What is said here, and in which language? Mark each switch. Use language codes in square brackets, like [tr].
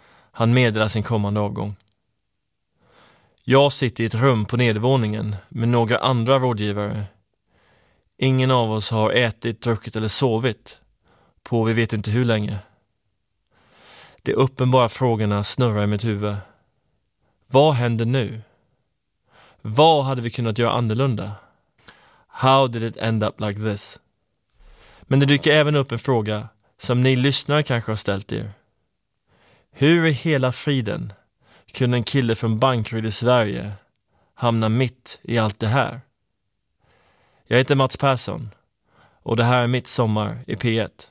[sv] Han meddelar sin kommande avgång. Jag sitter i ett rum på nedervåningen med några andra rådgivare. Ingen av oss har ätit, druckit eller sovit på vi vet inte hur länge. De uppenbara frågorna snurrar i mitt huvud. Vad händer nu? Vad hade vi kunnat göra annorlunda? [en] How did it end up like this? [sv] Men det dyker även upp en fråga som ni lyssnare kanske har ställt er. Hur i hela friden kunde en kille från Bankeryd i Sverige hamna mitt i allt det här? Jag heter Mats Persson och det här är mitt sommar i P1.